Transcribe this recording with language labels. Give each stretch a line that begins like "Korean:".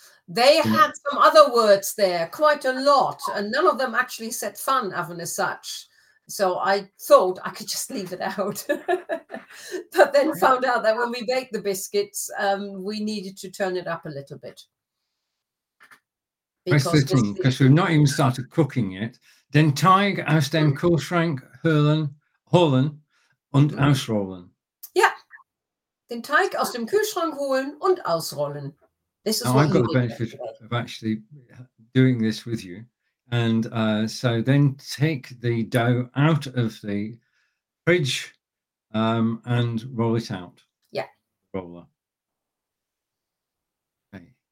English: They had some other words there, quite a lot, and none of them actually said fun oven as such. So I thought I could just leave it out. But then found out that when we baked the biscuits, we needed to turn it up a little bit. Because we've not even started cooking yet.
German: Den Teig aus dem Kühlschrank holen und ausrollen.
English: Yeah.
German: Den Teig aus dem Kühlschrank holen und ausrollen.
English: I've got the benefit of actually doing this with you. And so then take the dough out of the fridge and roll it out. Yeah. Roller. Okay.